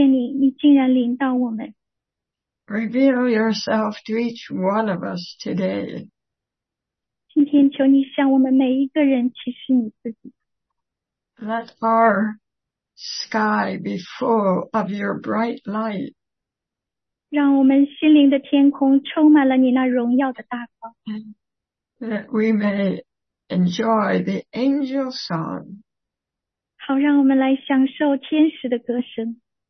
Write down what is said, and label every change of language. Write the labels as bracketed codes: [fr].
[zh] 我们要怎样的来感谢你，你竟然领到我们。 [en] Reveal yourself to each one of us today. [zh] 今天求你向我们每一个人启示你自己。 [en] Let our sky be full of your bright light. [zh] 让我们心灵的天空充满了你那荣耀的大光。 [en] That we may enjoy the angel song. [zh] 好，让我们来享受天使的歌声。